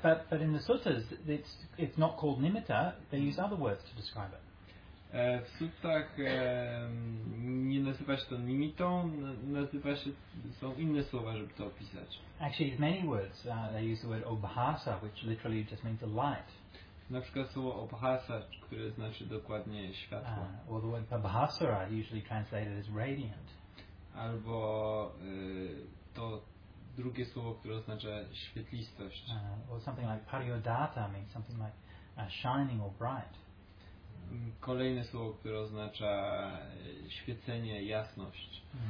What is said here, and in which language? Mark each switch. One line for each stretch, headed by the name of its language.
English: But in the suttas, it's not called nimitta, they use other words to describe it.
Polish: W suttach nie nazywa się to nimitą, nazywa się, są inne słowa, żeby to opisać.
English: Actually, in many words, they use the word obhasa, which literally just means a light.
Polish: Na przykład słowo obhasa, które znaczy dokładnie światło.
English: Or the word pabhasara, usually translated as radiant.
Polish: Albo to drugie słowo, które oznacza świetlistość.
English: Or something like pariodata means something like shining or bright.
Polish: Kolejne słowo, które oznacza świecenie, jasność.